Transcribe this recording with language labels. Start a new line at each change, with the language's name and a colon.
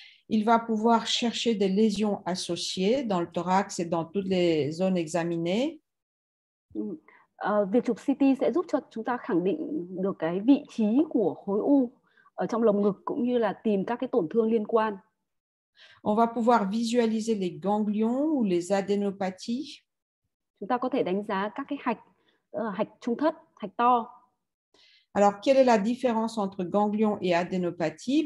French: Il va pouvoir chercher des lésions associées dans le thorax et dans toutes les zones examinées.
Vietnamese: Việc chụp CT sẽ giúp cho chúng ta khẳng định được cái vị trí của khối u ở trong lồng ngực cũng như là tìm các cái tổn thương liên quan.
French: On va pouvoir visualiser les ganglions ou les adénopathies.
Vietnamese: Chúng ta có thể đánh giá các cái hạch, hạch trung thất, hạch to.
French: Alors, quelle est la différence entre ganglion et adénopathie?